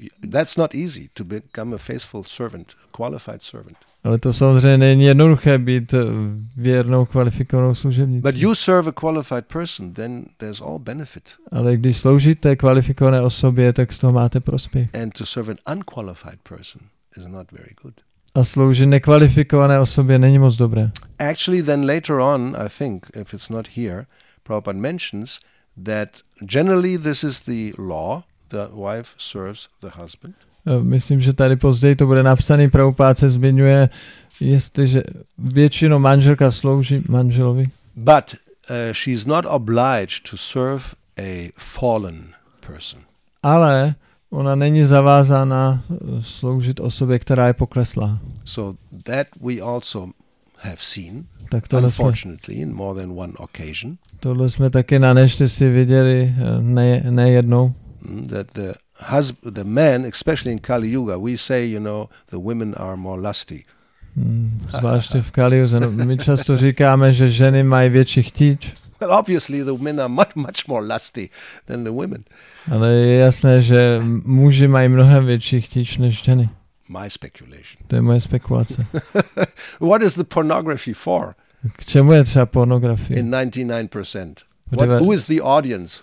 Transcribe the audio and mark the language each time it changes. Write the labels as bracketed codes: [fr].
[en] That's not easy to become a faithful servant, a qualified servant. [cs] Ale to samozřejmě není jednoduché být věrnou kvalifikovanou služebnicí. [en] But you serve a qualified person, then there's all benefit. [cs] Ale když sloužíte kvalifikované osobě, tak z toho máte prospěch. [en] And to serve an unqualified person is not very good. [cs] A sloužit nekvalifikované osobě není moc dobré. [en] Actually, then later on, I think, if it's not here, Prabhupada mentions that generally this is the law, the wife serves the husband. [cs] Myslím, že tady později to bude napsané, Prabhupáda se zmiňuje, jestliže většinou manželka slouží manželovi. [en] But she's not obliged to serve a fallen person. [cs] Ale ona není zavázána sloužit osobě, která je pokleslá. [en] So that we also have seen. [cs] Tak tohle [en] unfortunately in more than one occasion. [cs] Tohle jsme taky na neštěstí viděli nejednou. [en] That the husband, the man, especially in Kali Yuga, we say, you know, the women are more lusty. [cs] Zvláště v Kali Yuze, my často říkáme, že ženy mají větší chtíč. [en] Well, obviously the men are much, much more lusty than the women. [cs] Ale je jasné, že muži mají mnohem větší chtíč než ženy. [en] My speculation. [cs] To je moje spekulace. [en] What is the pornography for? [cs] K čemu je třeba pornografie? [en] In 99%. What, who is the audience?